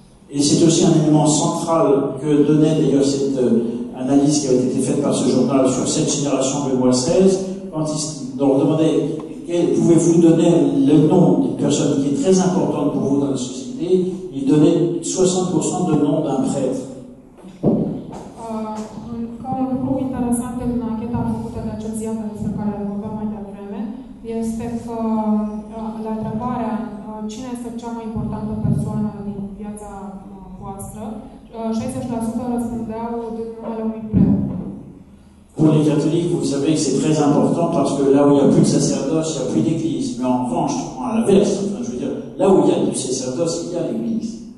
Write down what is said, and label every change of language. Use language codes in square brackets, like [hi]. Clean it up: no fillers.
[fr] Et c'est aussi un élément central que donnait d'ailleurs cette analyse qui a été faite par ce journal sur cette génération béboissaise, quand ils leur demandaient pouvez-vous donner le nom d'une personne qui est très importante pour vous dans la société? Il donnait 60% de nom d'un prêtre. [ro] Ca un lucru interesant în ancheta făcută de acest ziar despre care vorbeam mai devreme, este că la întrebarea cine este cea mai importantă persoană din viața voastră, 60% răspundeau din numele unui prêtre. [fr] Pour les catholiques, vous savez que c'est très important parce que là où il n'y a plus de sacerdoce, il n'y a plus d'église. Mais en revanche, à l'inverse, enfin, je veux dire, là où il y a du sacerdoce, il y a l'église.